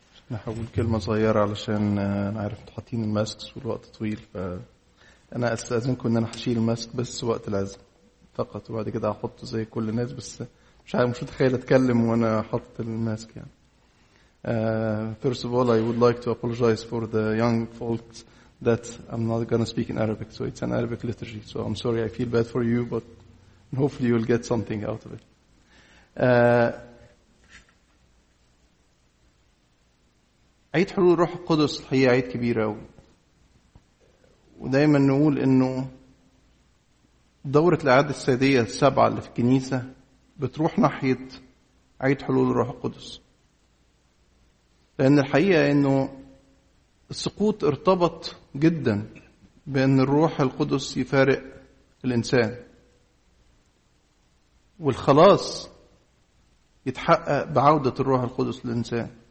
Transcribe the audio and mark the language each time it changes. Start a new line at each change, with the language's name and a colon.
Arabic: هقول كلمة صغيرة علشان نعرف تحطين الماسكس والوقت طويل، فأنا أستأذنكم أن أنا هشيل الماسك بس وقت العزم فقط، وبعد كده أحطه زي كل الناس، بس مش عارف، مش متخيل أتكلم وأنا حاطط الماسك يعني.
English: First of all, I would like to apologize for the young folks that I'm not going to speak in Arabic, so it's an Arabic liturgy. So I'm sorry, I feel bad for you, but hopefully you'll get something out of it.
Arabic: عيد حلول روح القدس هي عيد كبير قوي، ودايما نقول انه دوره الاعياد الساديه السبعه اللي في الكنيسه بتروح ناحيه عيد حلول روح القدس، لان الحقيقه انه السقوط ارتبط جدا بان الروح القدس يفارق الانسان، والخلاص يتحقق بعوده الروح القدس للانسان.